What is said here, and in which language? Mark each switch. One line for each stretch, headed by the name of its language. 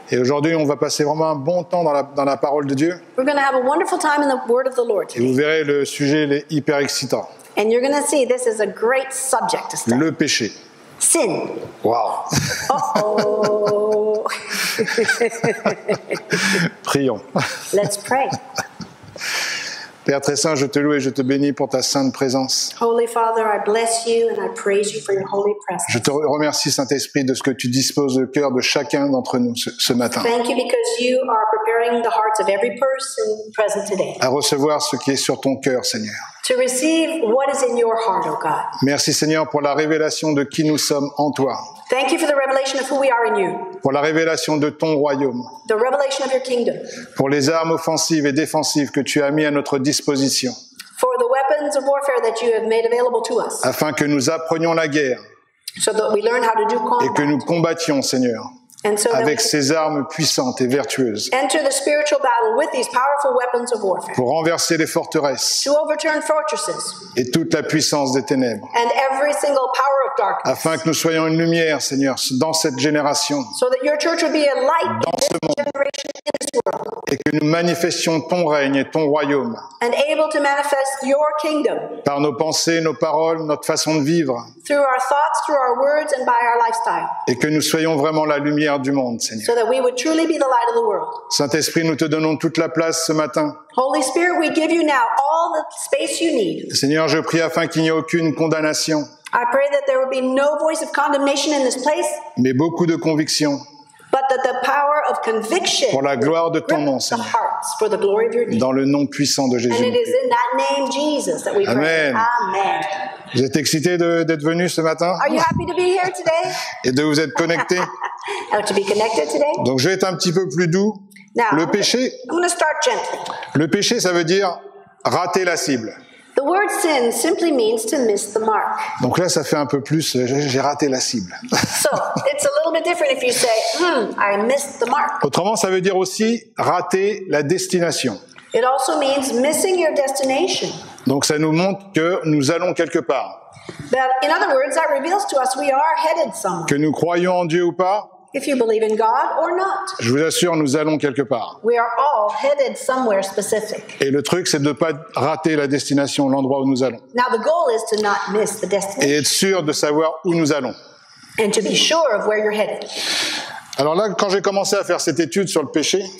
French: Et aujourd'hui, on va passer vraiment un bon temps dans la parole de Dieu.
English: We're going to have a wonderful time in the word of the Lord today.
French: Et vous verrez, le sujet est hyper excitant.
English: And you're going to see this is a great subject to study.
French: Le péché.
English: Sin. Wow. Oh.
French: Prions.
English: Let's pray.
French: Père très saint, je te loue et je te bénis pour ta sainte présence.
English: Holy Father, I bless you and I praise you for your holy presence.
French: Je te remercie, Saint-Esprit, de ce que tu disposes le cœur de chacun d'entre nous ce matin.
English: Thank you because you are preparing the hearts of every person present today.
French: À recevoir ce qui est sur ton cœur, Seigneur.
English: To receive what is in your heart, O God.
French: Merci Seigneur pour la révélation de qui nous sommes en toi.
English: Thank you for the revelation of who we are in you.
French: Pour la révélation de ton royaume.
English: The revelation of your kingdom.
French: Pour les armes offensives et défensives que tu as mis à notre disposition.
English: For the weapons of warfare that you have made available to us.
French: Afin que nous apprenions la guerre.
English: So that we learn how to do combat.
French: Et que nous combattions, Seigneur.
English: And so
French: avec ces armes puissantes et vertueuses,
English: enter the spiritual battle with these powerful weapons of warfare,
French: pour renverser les forteresses,
English: to overturn fortresses,
French: et toute la puissance des ténèbres,
English: and every single power of darkness,
French: afin que nous soyons une lumière, Seigneur, dans cette génération,
English: so that your church would be a light
French: dans ce monde,
English: generation in this world,
French: et que nous manifestions ton règne et ton royaume,
English: and able to manifest your kingdom,
French: par nos pensées, nos paroles, notre façon de vivre,
English: through our thoughts, through our words, and by our lifestyle,
French: et que nous soyons vraiment la lumière du monde, Seigneur.
English: So that we would truly be the light of the world.
French: Saint-Esprit, nous te donnons toute la place ce matin.
English: Holy Spirit, we give you now all the space you need.
French: Seigneur, je prie afin qu'il n'y ait aucune condamnation.
English: I pray that there will be no voice of condemnation in this place.
French: Mais beaucoup de conviction.
English: But that the power of conviction.
French: Pour la gloire de ton nom, Seigneur.
English: The hearts for the glory of your name.
French: Dans le nom puissant de Jésus.
English: And it is in that name, Jesus, that we pray.
French: Amen.
English: Amen.
French: Vous êtes excité d'être venu ce matin?
English: Are you happy to be here today?
French: Et de vous être connecté?
English: Oh, to be connected today?
French: Donc je vais être un petit peu plus doux.
English: Now,
French: le péché.
English: I'm going to start gently.
French: Le péché, ça veut dire rater la cible.
English: The word sin simply means to miss the mark.
French: Donc là, ça fait un peu plus. J'ai raté la cible.
English: So it's a little bit different if you say, I missed the mark.
French: Autrement, ça veut dire aussi rater la destination.
English: It also means missing your destination.
French: Donc ça nous montre que nous allons quelque part.
English: That, in other words, that reveals to us we are headed somewhere.
French: Que nous croyons en Dieu ou pas.
English: If you believe in God or not.
French: Je vous assure, nous allons quelque part.
English: We are all headed somewhere specific.
French: Et le truc, c'est de ne pas rater la destination, l'endroit où nous allons.
English: Now the goal is to not miss the destination.
French: Et être sûr de savoir où nous allons.
English: And to be sure of where you're headed.
French: Alors là, quand j'ai commencé à faire cette étude sur le péché,